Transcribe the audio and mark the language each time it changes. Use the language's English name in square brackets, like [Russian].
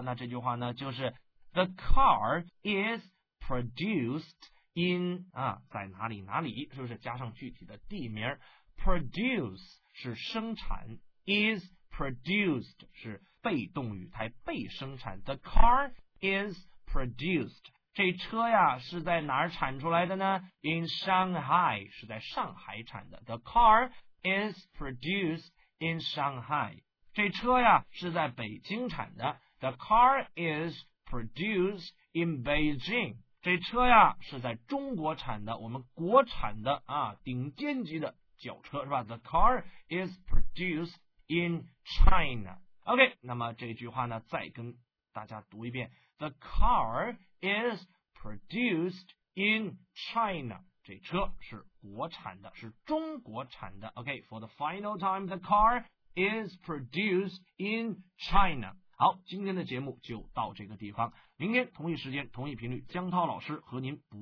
[Chinese] 那这句话呢，就是 [English] The car is produced in [Chinese] 啊，在哪里哪里，是不是，加上具体的地名。 produce 是生产， is produced 是被动语态，被生产。 [English] The car is produced， [Chinese] 这车呀是在哪儿产出来的呢？ [English] In Shanghai， [Chinese] 是在上海产的。 [English] The car is produced in Shanghai， [Chinese] 这车呀是在北京产的。 [English] The car is produced in Beijing， [Chinese] 这车呀是在中国产的，我们国产的啊，顶尖级的轿车，是吧。 [English] The car is produced in China。 [Chinese] OK， 那么这句话呢，再跟大家读一遍 ： [English] The car is produced in China。 [Chinese] 这车是国产的，是中国产的。 [English] OK， for the final time， the car is produced in China。 [Chinese] 好，今天的节目就到这个地方，明天同一时间、同一频率，江涛老师和您不。